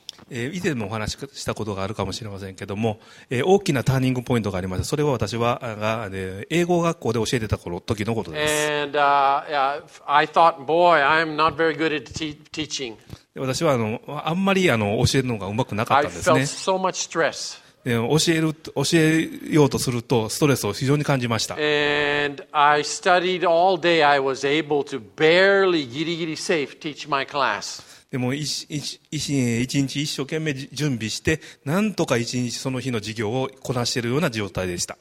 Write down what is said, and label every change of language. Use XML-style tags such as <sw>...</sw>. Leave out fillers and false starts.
<ja>以前もお話ししたことがあるかもしれませんけども、大きなターニングポイントがありました。それは私は英語学校で教えてた時のことです。</ja> <en>And I thought, boy, I'm not very good at teaching.</en> <ja>私はあんまり教えるのがうまくなかったんですね。教えようとするとストレスを非常に感じました。</ja> <en>And I studied all day. I was able to barely,</en> <ja>ギリギリ</ja> <en>safe, teach my class.</en> <ja>でも一日一生懸命準備して、なんとか一日その日の授業をこなしているような状態でした。</ja>